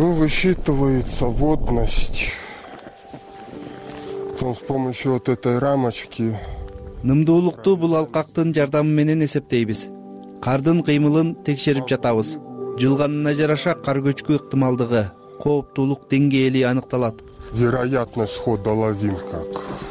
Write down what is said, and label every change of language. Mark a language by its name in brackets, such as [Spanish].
[Russian] Считывается водность. Там с помощью вот этой рамочки. [Kyrgyz] Нымдуулукту бул алкактын жардамы менен эсептейбиз. Кардын кыймылын текшерип жатабыз. Жылганына жараша кар көчкү ыктымалдыгы, кооптуулук деңгээли аныкталат. [Russian] Вероятность схода лавин как.